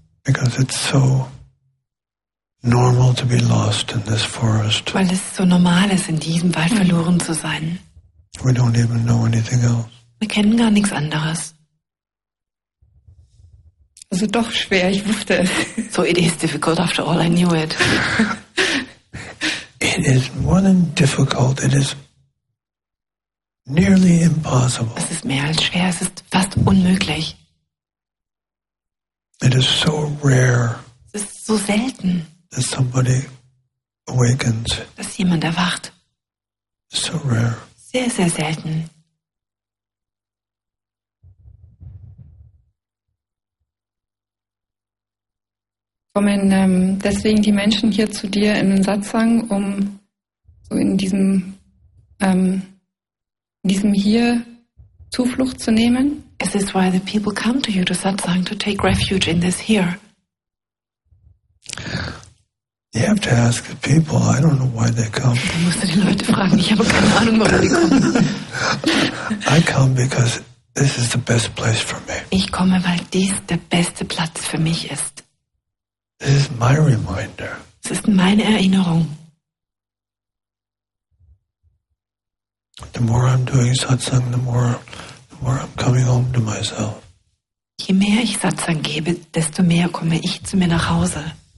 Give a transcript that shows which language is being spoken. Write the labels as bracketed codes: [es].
[en] Because it's so normal to be lost in this forest. [de] Weil es so normal ist, in diesem Wald verloren zu sein. [en] We don't even know anything else. [de] Wir kennen gar nichts anderes. Also doch schwer, ich wusste es. [en] So it is difficult, after all I knew it. It is more than difficult, it is nearly impossible. [de] Es ist mehr als schwer, es ist fast unmöglich. [en] It is so rare. [de] Es ist so selten. [en] That somebody awakens. [de] Dass jemand erwacht. [en] So rare. [de] Sehr, sehr selten. Kommen deswegen die Menschen hier zu dir in den Satsang, um so in diesem hier Zuflucht zu nehmen? [en] Is this why the people come to you to Satsang to take refuge in this here? You have to ask the people. I don't know why they come. [de] Dann musst du die Leute fragen. Ich habe keine Ahnung, warum die kommen. [en] I come because This is the best place for me. [de] Ich komme, weil dies der beste Platz für mich ist. [en] This is my reminder. [de] Es ist meine Erinnerung. [en] The more I'm doing satsang, the more I'm coming home to myself. [de] Je mehr ich Satsang gebe, desto mehr komme ich zu mir nach Hause.